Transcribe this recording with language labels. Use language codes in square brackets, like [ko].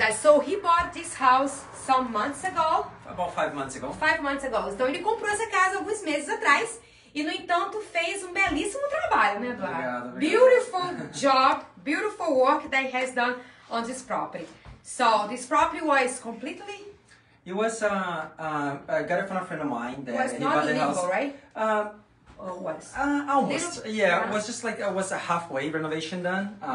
[en] And so he bought this house some months ago. About 5 months ago. 5 months ago. [pt] Então ele comprou essa casa alguns meses atrás e no entanto fez um belíssimo trabalho, né, Eduardo? Obrigado. [en] Beautiful job, beautiful work that he has done on this property. So this property was completely. It was I got it from a friend of mine that was not bought illegal, the house. Right? Almost. Little, yeah, yeah, it was just like it was a halfway renovation done.